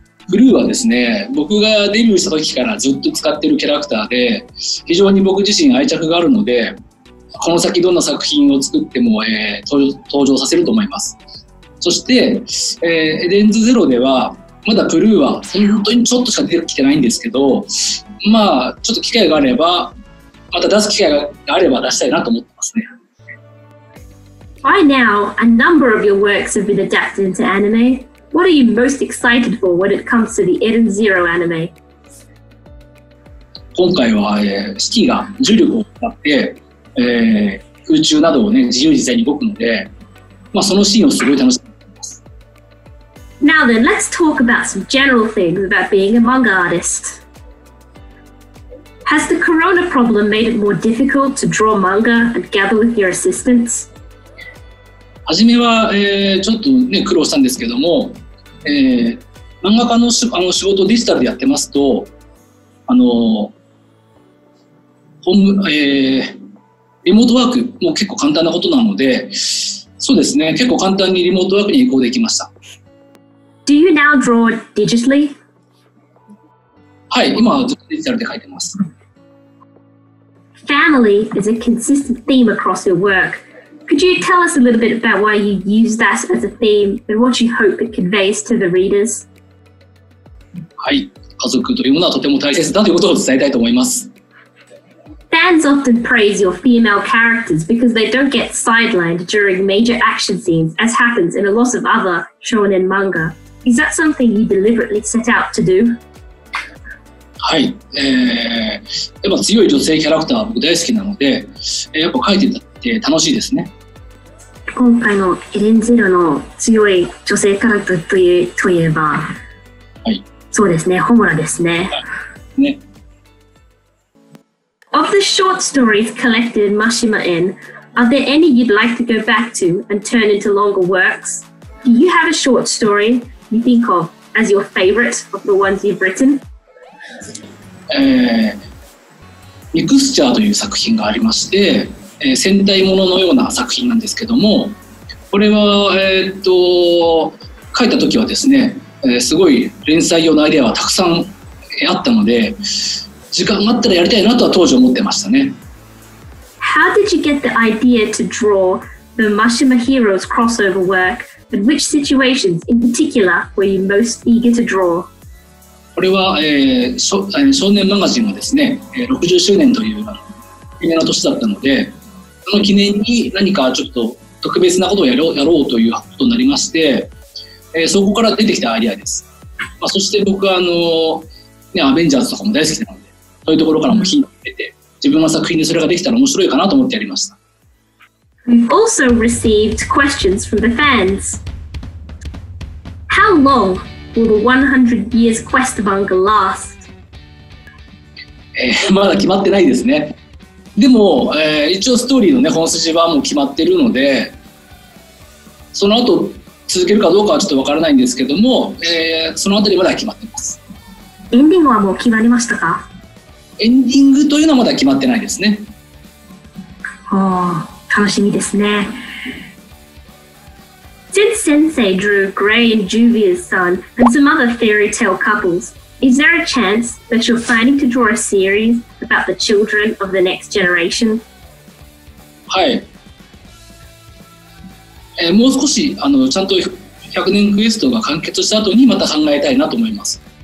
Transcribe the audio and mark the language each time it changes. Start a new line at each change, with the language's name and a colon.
Japanese: クルーはですね、僕がデビューした時からずっと使ってるキャラクターで、非常に僕自身愛着があるので、この先どんな作品を作っても、登場させると思います。そして、エデンズゼロでは、まだクルーは本当にちょっとしか出てきてないんですけど、まあ、ちょっと機会があれば、また出す機会があれば出したいなと思ってますね。
English: By now, a number of your works have been adapted into anime. What are you most excited for when it comes to the Eden Zero anime?
Japanese: 今回は、スキーが重力を使って、空中などを、ね、自由自在に動くので、まあ、そのシーンをすごい楽しみにしています。
English: Now then, let's talk about some general things about being a manga artist. Has the corona problem made it more difficult to draw manga and gather with your assistants?
Japanese: はじめは、ちょっとね、苦労したんですけども、漫画家 の仕事をデジタルでやってますと、リモートワークも結構簡単なことなので、そうですね、結構簡単にリモートワークに移行できました。
English: Do you now draw digitally?
Japanese: はい、今はずっとデジタルで描いてます。
English: Family is a consistent theme across your work. Could you tell us a little bit about why you use that as a theme and what you hope it conveys to the readers?
Japanese: はい、家族というものはとても大切だということを伝えたいと思います。
English: Fans often praise your female characters because they don't get sidelined during major action scenes, as happens in a lot of other shonen manga. Is that something you deliberately set out to do?
Japanese: はい、やっぱ強い女性キャラクターは僕大好きなので、やっぱ描いてた。楽しいですね。今回のエデンゼロの強い女性キャラクターといえば、はい、そうですね、ホモラですね。はい、ね。
English: Of the short stories collected in Mashima In, are there any you'd like to go back to and turn into longer works? Do you have a short story you think of as your favorite of the ones you've written?
Japanese: ミクスチャーという作品がありまして。戦隊もののような作品なんですけども、これは書いた時はですね、すごい連載用のアイデアはたくさんあったので、時間があったらやりたいなとは当時思ってましたね。
English: How did you get the idea to draw the Mashima Heroes crossover work? And which situations in particular were you most eager to draw?
Japanese: これは、少年マガジンはですね、60周年という記念の年だったので。その記念に何かちょっと特別なことをやろうということになりまして、そこから出てきたアイデアです。まあ、そして僕はね、アベンジャーズとかも大好きなので、そういうところからもヒントを得て、自分の作品でそれができたら面白いかなと思ってやりました。
English: We've also received questions from the fans. How long will the 100 years quest manga last?
Japanese: まだ決まってないですね。でも、一応ストーリーの、ね、本筋はもう決まってるのでその後続けるかどうかはちょっと分からないんですけども、そのあたりまだ決まってます。エンディングはもう決まりましたか？エンディングというのはまだ決まってないですね。楽しみですね。
English: Since Sensei drew Gray and Juvia's son and some other fairy tale couples, Is there a chance that you're planning to draw a series about the children of the next generation?
Japanese: はい。もう少しちゃんと100年クエストが完結した後にまた考えたいなと思います。